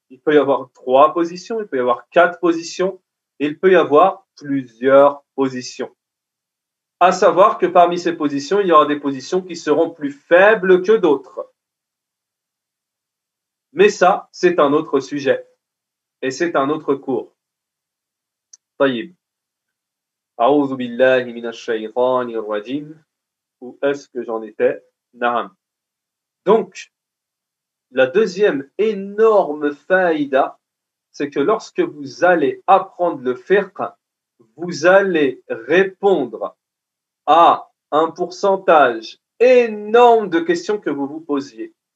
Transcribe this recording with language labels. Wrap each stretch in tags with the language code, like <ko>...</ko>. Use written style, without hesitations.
<fr>Il peut y avoir trois positions, il peut y avoir quatre positions, il peut y avoir plusieurs positions. À savoir que parmi ces positions, il y aura des positions qui seront plus faibles que d'autres. Mais ça, c'est un autre sujet. Et c'est un autre cours. Tayyib.</fr> <ar>أعوذ بالله من الشيطان الرجيم.</ar> <fr>Où est-ce que j'en étais? Naam. Donc, la deuxième énorme faïda, c'est que lorsque vous allez apprendre le fiqh, vous allez répondre à un pourcentage énorme de questions que vous vous posiez.</fr>